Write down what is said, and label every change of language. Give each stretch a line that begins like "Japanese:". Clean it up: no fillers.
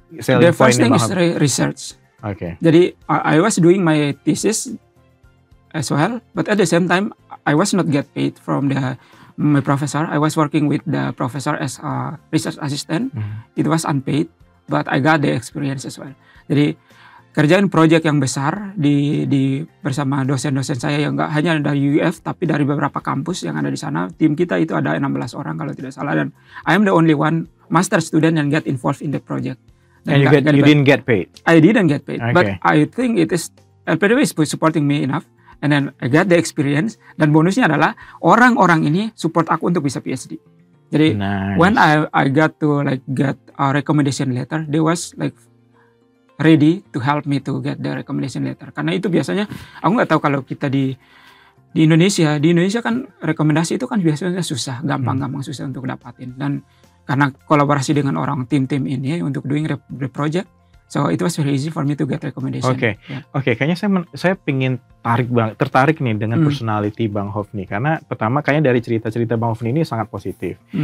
English: selling point? The first thing is research. Okay.
Indonesian: Jadi
English: I was doing my thesis as well, but at the same time I was not get paid from my professor. I was working with the professor as a research assistant. Mm-hmm. It was unpaid, but I got the experience as well.
Indonesian: Jadi kerjain project yang besar di bersama dosen-dosen saya yang enggak hanya dari UF tapi dari beberapa kampus yang ada di sana. Tim kita itu ada 16 orang kalau tidak salah, dan
English: I am the only one master student
Indonesian: yang
English: get involved in the project.
Indonesian: Dan
English: you didn't get paid. Okay. But I think it is LPDP is supporting me enough, and then I get the experience,
Indonesian: dan bonusnya adalah orang-orang ini support aku untuk bisa PhD. Jadi
English: nice. When I got to like get a recommendation letter, they was like ready to help me to get the recommendation letter.
Indonesian: Karena itu biasanya, aku nggak tahu kalau kita di Indonesia kan rekomendasi itu kan biasanya susah, gampang-gampang susah untuk dapatin. Dan karena kolaborasi dengan orang tim-tim ini untuk
English: doing the project, So it was very easy for me to get recommendation.
Indonesian: Okay, yeah. Okay. Kayaknya saya pingin tertarik nih dengan personality Bang Hovni, karena pertama kayaknya dari cerita Bang Hovni ini sangat positif.